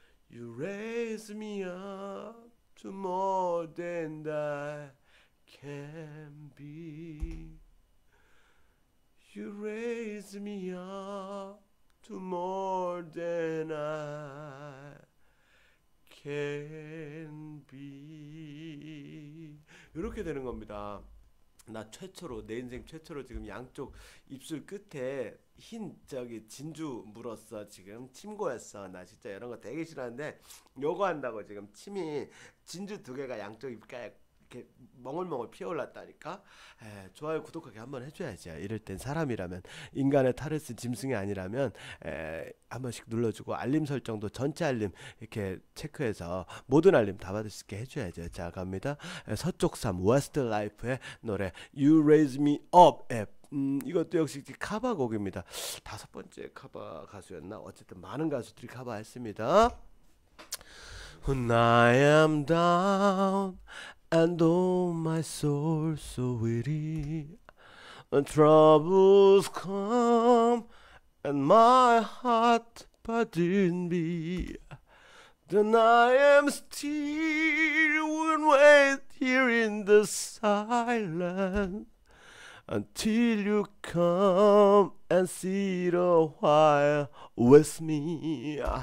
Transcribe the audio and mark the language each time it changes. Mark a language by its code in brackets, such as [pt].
[en] You raise me up to more than I can be. You raise me up to more than I can be. [ko] 이렇게 되는 겁니다. 나 최초로, 내 인생 최초로 지금 양쪽 입술 끝에 흰 저기 진주 물었어. 지금 침 고였어. 나 진짜 이런 거 되게 싫어하는데 요거 한다고 지금 침이 진주 두 개가 양쪽 입가에 이렇게 멍울멍울 피어올랐다니까. 에, 좋아요 구독하기 한번 해줘야지. 이럴 땐 사람이라면, 인간의 타르스 짐승이 아니라면, 에, 한 번씩 눌러주고 알림 설정도 전체 알림 이렇게 체크해서 모든 알림 다 받을 수 있게 해줘야지. 자, 갑니다. 에, 서쪽 삶 웨스트 라이프의 노래 You Raise Me Up 앱. 이것도 역시 카바 곡입니다. 다섯 번째 카바 가수였나? 어쨌든 많은 가수들이 카바했습니다. [en] When I am down and oh my soul so weary, when troubles come and my heart pardon me, then I am still will wait here in the silence until you come and sit a while with me.